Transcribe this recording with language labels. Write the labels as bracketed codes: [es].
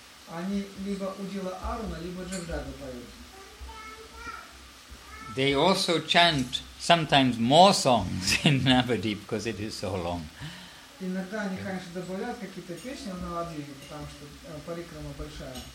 [ru] Они либо Удила Аруна, либо Джагдага поют. [en] They also chant sometimes more songs in Navadvip, because it is so long. [ru] Иногда они, конечно, добавляют какие-то песни в Навадвипе, потому что парикрама большая.